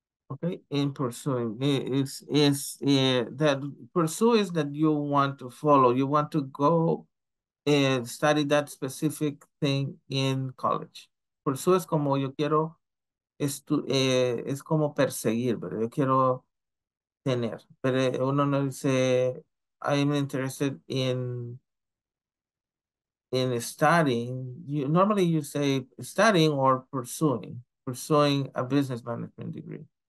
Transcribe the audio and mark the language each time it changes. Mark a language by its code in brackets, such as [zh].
[en] Okay, in pursuing is that pursue is that you want to follow, you want to go and study that specific thing in college. [es] Pursue es como yo quiero es como perseguir, pero yo quiero tener. Pero uno no dice [en] I'm interested in studying. You normally you say studying or pursuing a business management degree.